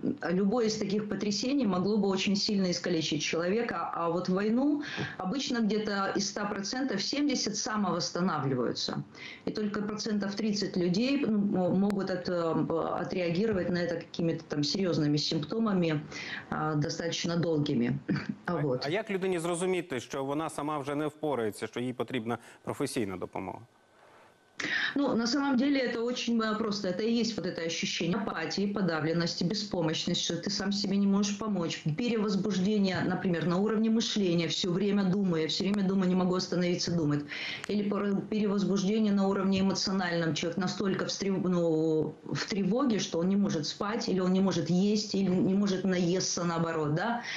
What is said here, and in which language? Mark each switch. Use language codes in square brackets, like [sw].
[ru] любое из таких потрясений могло бы очень сильно искалечить человека, а вот в войну обычно где-то из 100% 70 самовосстанавливаются, и только процентов 30 людей могут отреагировать на это какими-то там серьезными симптомами достаточно долго. [uk] А як людині зрозуміти, що вона сама вже не впорається, що їй потрібна професійна допомога? [ru] Ну, на самом деле это очень просто. Это и есть вот это ощущение апатии, подавленности, беспомощности, что ты сам себе не можешь помочь. Перевозбуждение, например, на уровне мышления, все время думая, все время думаю, не могу остановиться думать. Или перевозбуждение на уровне эмоциональном. Человек настолько в тревоге, что он не может спать, или он не может есть, или не может наесться наоборот. Да?